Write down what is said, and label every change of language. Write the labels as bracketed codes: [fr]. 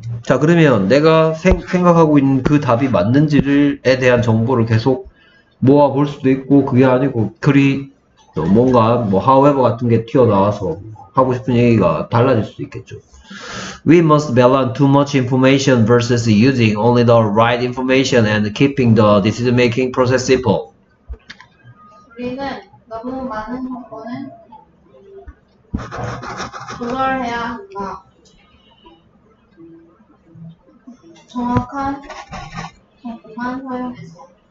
[ko] 자, 그러면 내가 생각하고 있는 그 답이 맞는지를에 대한 정보를 계속 모아볼 수도 있고, 그게 아니고, 그리 뭔가 뭐 however 같은 게 튀어나와서 하고 싶은 얘기가 달라질 수도 있겠죠. [en] We must balance too much information versus using only the right information and keeping the decision-making process simple. [ko] 우리는 너무 많은 정보는 조절해야 한다. 정확한 정보만 사용해서.